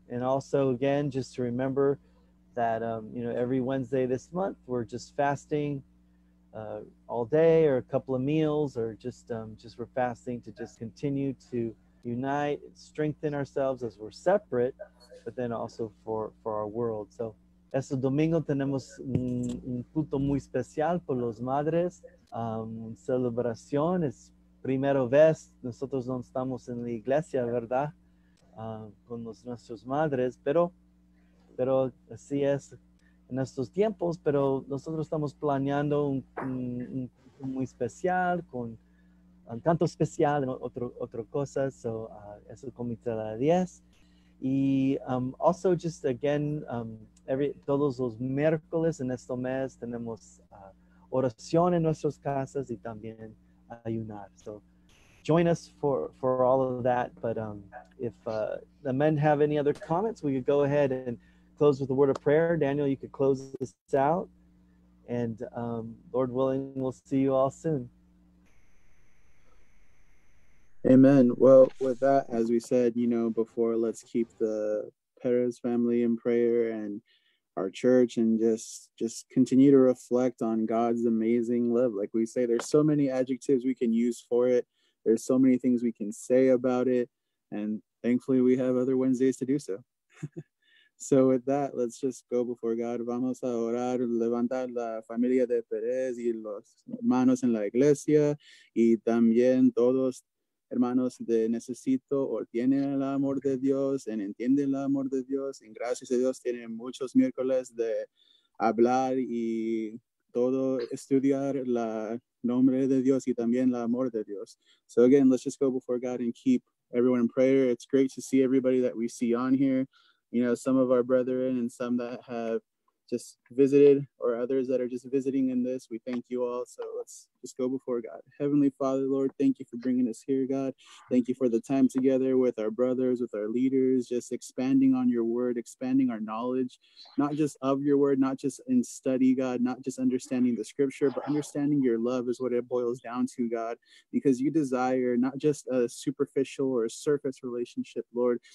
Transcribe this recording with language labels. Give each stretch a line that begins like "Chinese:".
English: And also, again, just to remember that you know, every Wednesday this month we're just fasting all day, or a couple of meals, or just we're fasting to just continue to unite and strengthen ourselves as we're separate, but then also for our world.
Spanish: So este domingo tenemos un culto muy especial por las madres, celebración. Es primera vez nosotros no estamos en la iglesia, ¿verdad? Con nuestras madres, pero así es en estos tiempos. Pero nosotros estamos planeando un culto muy especial con un canto especial y otra cosa. So, es el comité de la 10. Y
English: also, just again,
Spanish: todos los miércoles en este mes tenemos oración en nuestras casas y también ayunar.
English: So join us for all of that. But if the men have any other comments, we could go ahead and close with a word of prayer. Daniel, you could close this out. And Lord willing, we'll see you all soon. Amen. Well, with that, as we said, you know, before, let's keep the Perez family in prayer and our church, and just continue to reflect on God's amazing love. Like we say, there's so many adjectives we can use for it. There's so many things we can say about it. And thankfully, we have other Wednesdays to do so. So with that, let's just go before God.
Spanish: Vamos a orar, levantar la familia de Perez y los hermanos en la iglesia y también todos hermanos de Necesito, o tienen el amor de Dios, en entienden el amor de Dios, en gracias a Dios tienen muchos miércoles de hablar y todo estudiar la nombre de Dios y también la amor de Dios.
English: So again, let's just go before God and keep everyone in prayer. It's great to see everybody that we see on here. You know, some of our brethren and some that have just visited or others that are just visiting in this. We thank you all. So let's just go before God. Heavenly Father, Lord, thank you for bringing us here, God. Thank you for the time together with our brothers, with our leaders, just expanding on your word, expanding our knowledge, not just of your word, not just in study, God, not just understanding the scripture, but understanding your love is what it boils down to, God, because you desire not just a superficial or a surface relationship, Lord.